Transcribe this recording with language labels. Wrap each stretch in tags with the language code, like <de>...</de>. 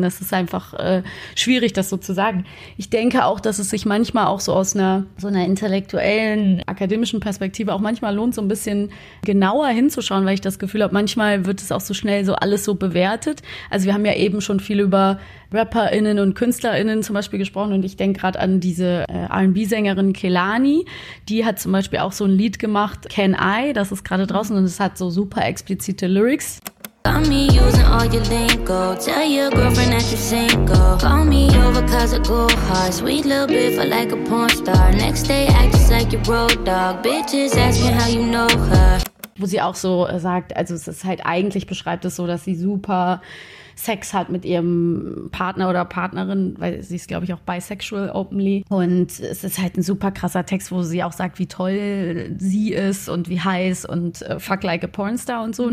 <de>Das ist einfach schwierig, das so zu sagen. Ich denke auch, dass es sich manchmal auch so aus so einer intellektuellen, akademischen Perspektive auch manchmal lohnt, so ein bisschen genauer hinzuschauen, weil ich das Gefühl habe, manchmal wird es auch so schnell so alles so bewertet. Also wir haben ja eben schon viel über RapperInnen und KünstlerInnen zum Beispiel gesprochen und ich denke gerade an diese R&B-Sängerin Kehlani, die hat zum Beispiel auch so ein Lied gemacht, Can I, das ist gerade draußen und es hat so super explizite Lyrics.</de> <en>Call me using all your lingo, tell your girlfriend that you're single. Call me over cause I go hard, sweet little bit for like a porn star. Next day act just like your road dog, bitches ask me how you know her.</en> <de>Wo sie auch so sagt, also es ist halt eigentlich beschreibt es so, dass sie super Sex hat mit ihrem Partner oder Partnerin, weil sie ist, glaube ich, auch</de> <en>bisexual openly.</en> <de>Und es ist halt ein super krasser Text, wo sie auch sagt, wie toll sie ist und wie heiß und</de> <en>fuck like a pornstar</en> <de>und so.</de>